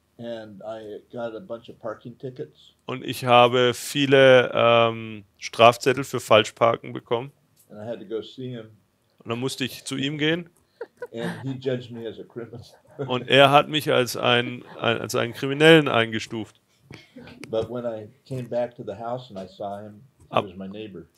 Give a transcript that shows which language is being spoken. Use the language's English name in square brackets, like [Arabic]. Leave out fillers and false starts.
[English] And I got a bunch of parking tickets. [German] Und ich habe viele Strafzettel für Falschparken bekommen. [English] And I had to go see him. [German] Und dann musste ich zu ihm gehen. [English] And he judged me as a criminal. [German] Und er hat mich als einen Kriminellen eingestuft. [English] But when I came back to the house and I saw him, he was my neighbor.